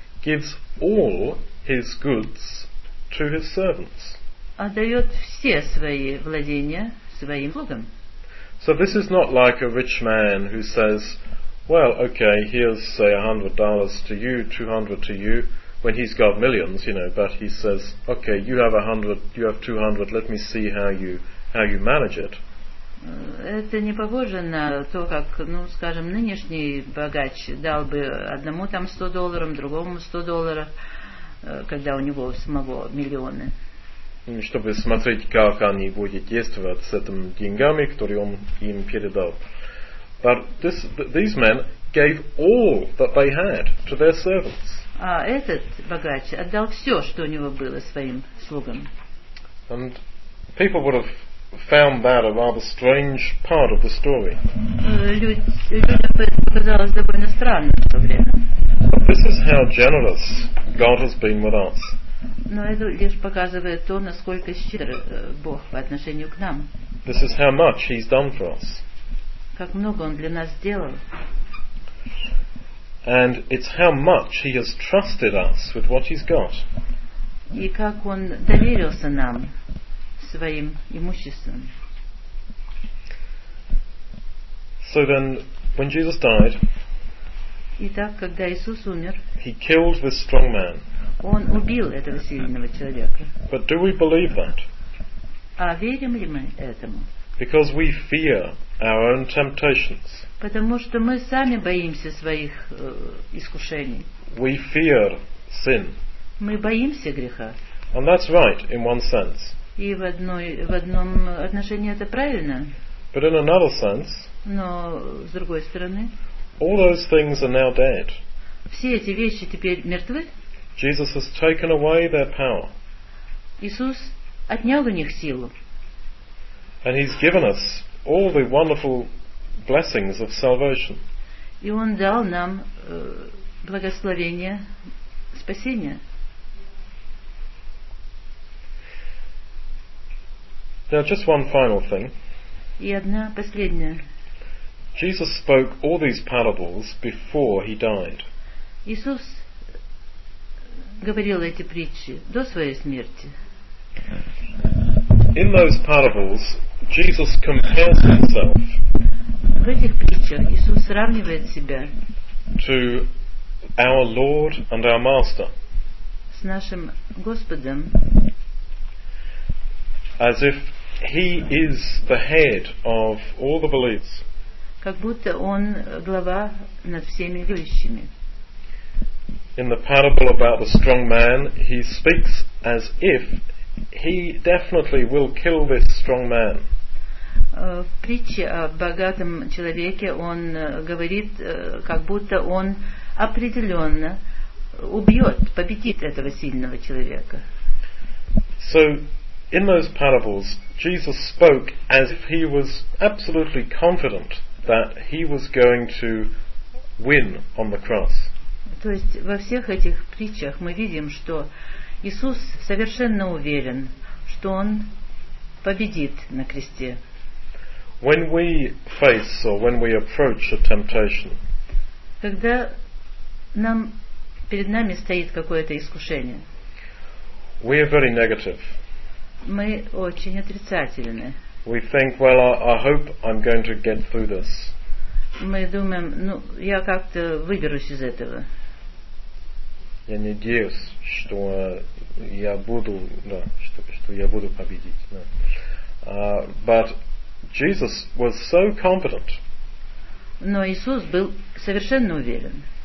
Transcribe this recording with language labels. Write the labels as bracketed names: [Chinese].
[English] gives all his goods to his servants. [Russian] Отдает все свои владения своим слугам. [English] So this is not like a rich man who says, well, okay, here's, say, $100 to you, $200 to you, when he's got millions, you know, but he says, okay, you have $100, you have $200, let me see how you manage it. [Russian] Это не похоже на то, как, ну, скажем, нынешний богач дал бы одному там $100, другому $100, когда у него самого миллионы. Чтобы смотреть, как они будут действовать с этими деньгами, которые он им передал. [English] But these men gave all that they had to their servants. [Russian] А этот богач отдал все, что у него было, своим слугам. [English] And people would have found that a rather strange part of the story. [Russian] Людям бы это показалось довольно странным в то время. [English] But this is how generous God has been with us. [Russian] Но это лишь показывает то, насколько щедр Бог по отношению к нам. [English] This is how much he's done for us. [Russian] Как много он для нас сделал. [English] And it's how much he has trusted us with what he's got. [Russian] И как он доверился нам своим имуществом. [English] So then, when Jesus died, [Russian] итак, когда Иисус умер, [English] he killed this strong man. [Russian] Он убил этого сильного человека. [English] But do we believe that? [Russian] А верим ли мы этому? [English] Because we fear our own temptations. [Russian] Потому что мы сами боимся своих искушений. [English] We fear sin. [Russian] Мы боимся греха. [English] And that's right in one sense. [Russian] И в одном отношении это правильно. [English] But in another sense, [Russian] но с другой стороны, [English] all those things are now dead. [Russian] Все эти вещи теперь мертвы. [English] Jesus has taken away their power. [Russian] Иисус отнял у них силу. [English] And he's given us all the wonderful blessings of salvation. [Russian] И он дал нам благословение спасения. [English] Now, just one final thing. [Russian] И одна последняя. [English] Jesus spoke all these parables before he died. [Russian] Иисус говорил эти притчи до своей смерти. [English] In those parables, Jesus compares himself. [Russian] В этих притчах Иисус сравнивает себя. [English] To our Lord and our Master. [Russian] С нашим Господом. [English] As if he is the head of all the believers. [Russian] Как будто он глава над всеми верующими. [English] In the parable about the strong man, he speaks as if he definitely will kill this strong man. [Russian] В притче о богатом человеке он говорит, как будто он определенно убьет, победит этого сильного человека. [English] So, in those parables, Jesus spoke as if he was absolutely confident that he was going to win on the cross. [Russian] То есть во всех этих притчах мы видим, что Иисус совершенно уверен, что он победит на кресте. [English] When we face or when we approach a temptation, [Russian] когда нам перед нами стоит какое-то искушение, [English] we are very negative. [Russian] Мы очень отрицательны. [English] We think, well, I hope I'm going to get through this. [Russian] Мы думаем, ну, я как-то выберусь из этого. Я надеюсь, что я буду, да, что я буду победить. Да. [English] But Jesus was so confident. [Russian] Но Иисус был совершенно уверен.